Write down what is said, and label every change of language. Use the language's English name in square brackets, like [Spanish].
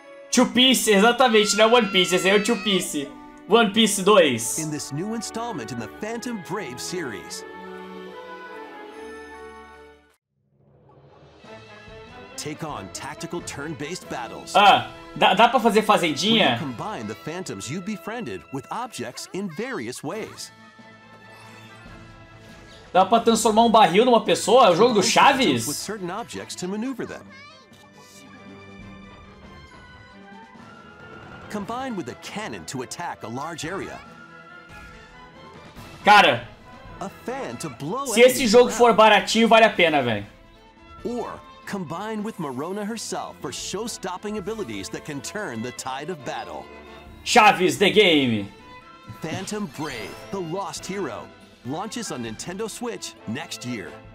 [Portuguese] Two Piece, exatamente, não é One Piece, esse é o Two Piece. [English] One Piece 2. In this new installment in the Phantom Brave series. Take on tactical turn-based battles. Ah. [Portuguese] Dá pra fazer fazendinha? [English] Combine the phantoms you befriended with objects in various ways. [Portuguese] Dá pra transformar um barril numa pessoa? É o jogo do Chaves? [English] With certain objects to maneuver them. Combine with a cannon to attack a large area. Cara, a fan to blow. [Portuguese] Se esse jogo for baratinho, vale a pena, velho. [English] Combine with Marona herself for show-stopping abilities that can turn the tide of battle. Chaves, the game. Phantom Brave, the lost hero, launches on Nintendo Switch next year.